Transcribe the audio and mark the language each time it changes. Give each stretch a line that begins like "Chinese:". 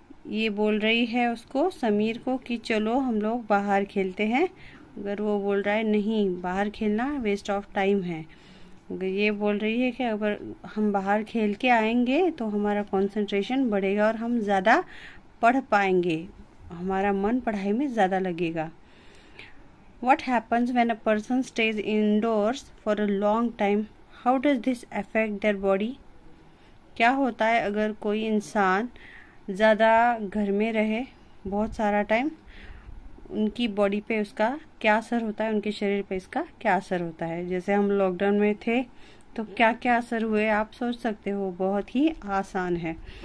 Hindi: ये बोल रही है उसको, समीर को, कि चलो हम लोग बाहर खेलते हैं। अगर वो बोल रहा है नहीं बाहर खेलना वेस्ट ऑफ टाइम है, अगर ये बोल रही है कि अगर हम बाहर खेल के आएंगे तो हमारा कॉन्सेंट्रेशन बढ़ेगा और हम ज़्यादा पढ़ पाएंगे, हमारा मन पढ़ाई में ज़्यादा लगेगा।
English: What happens when a person stays indoors for a long time? How does this affect their body?
Hindi: क्या होता है अगर कोई इंसान ज़्यादा घर में रहे बहुत सारा टाइम, उनकी बॉडी पे उसका क्या असर होता है, उनके शरीर पे इसका क्या असर होता है? जैसे हम लॉकडाउन में थे तो क्या क्या असर हुए आप सोच सकते हो, बहुत ही आसान है।